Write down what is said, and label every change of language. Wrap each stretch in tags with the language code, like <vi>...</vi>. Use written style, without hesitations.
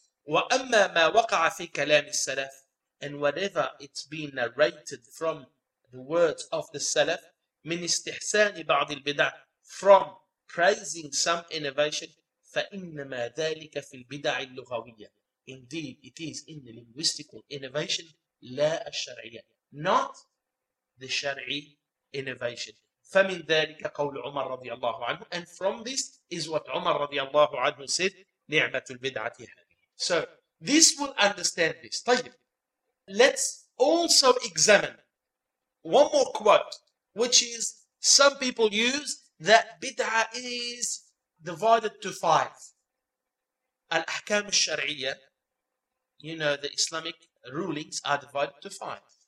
<ar>وَأَمَّا مَا وَقَعَ فِي كَلَامِ السَّلَفِ</ar> <en>And whatever it's been narrated from the words of the Salaf,</en> <ar>مِنْ إِسْتِحْسَانِ بَعْضِ الْبِدَعِ</ar> <en>From praising some innovation,</en> <ar>فَإِنَّمَا ذَلِكَ فِي الْبِدَعِ اللُّغَوِيَّةِ</ar> <en>Indeed, it is in the linguistical innovation,</en> <ar>لا الشرعية,</ar> <en>not the شرعي innovation.</en> <ar>فَمِنْ ذَلِكَ قَوْلُ عُمَرَ رَضِيَ اللَّهُ عَنْهُ</ar> <en>And from this is what</en> <ar>عُمَرَ رَضِيَ اللَّهُ عَنْهُ said, نِعْمَةُ الْبِدَعَةِ</ar> <en>So, this will understand this.</en> <ar>طيب.</ar> <en>Let's also examine one more quote, which is some people use that bid'ah is divided to five. Al-ahkam al-shar'iyya, you know, the Islamic rulings are divided to five.</en>